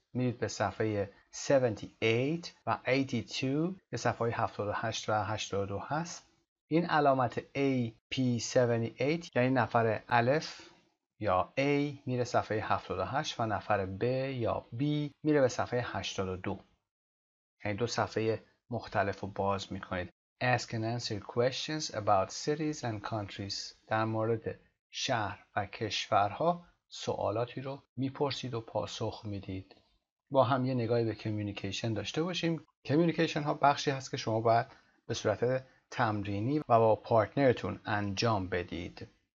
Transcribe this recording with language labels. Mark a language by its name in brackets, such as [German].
[Persian] میرید به صفحه 78 و 82 به صفحه 78 و 82 هست. این علامت AP78 یعنی نفر الف یا A میره صفحه 78 و نفر B یا B میره به صفحه 82، یعنی دو صفحه مختلف رو باز میکنید. [English] Ask and answer questions about cities and countries. [Persian] در مورد شهر و کشورها سوالاتی رو میپرسید و پاسخ میدید. با هم یه نگاهی به کمیونیکیشن داشته باشیم. کمیونیکیشن ها بخشی هست که شما باید به صورت تمرینی و با پارتنرتون انجام بدید.